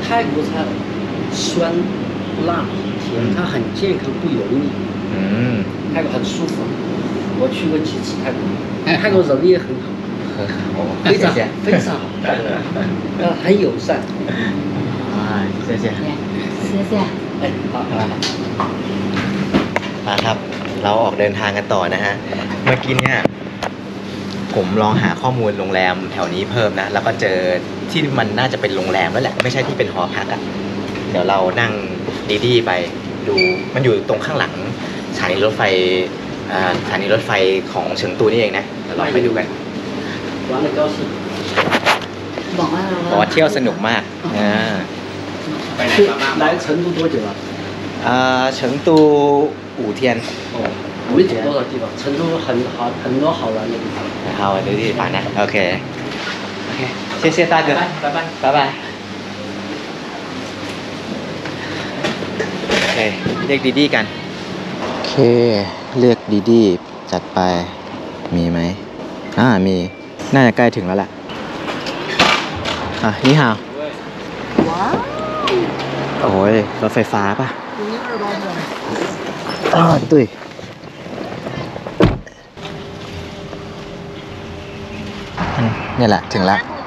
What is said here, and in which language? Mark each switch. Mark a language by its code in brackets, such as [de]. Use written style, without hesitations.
[zh] 泰国菜酸、辣、甜，它很健康，不油腻。嗯。泰国很舒服，我去过几次泰国，泰国人也很好。很好，非常非常好，泰国人很友善。啊，谢谢。谢谢。 [th] มาครับเราออกเดินทางกันต่อนะฮะเมื่อกี้เนี่ยผมลองหาข้อมูลโรงแรมแถวนี้เพิ่มนะแล้วก็เจอที่มันน่าจะเป็นโรงแรมแล้วแหละไม่ใช่ที่เป็นหอพักอ่ะเดี๋ยวเรานั่งดีดีไปดูมันอยู่ตรงข้างหลังสถานีรถไฟสถานีรถไฟของเฉิงตูนี่เองนะเดี๋ยวลองไปดูกัน บอกว่า เที่ยวสนุกมาก ไปเฉิงตู [zh] 多久了เฉิงตู五天哦五天多少地方成都很好很多好玩的地方好玩的地方呢 OK OK 谢谢大哥拜拜拜拜拜拜 OK [th] เรียกดีดีกัน โอเคเรียกดีดีจัดไปมีไหมมีน่าจะใกล้ถึงแล้วล่ะนี่ฮาวโอ้ยรถไฟฟ้าป่ะด้วยนี่แหละถึงแล้ว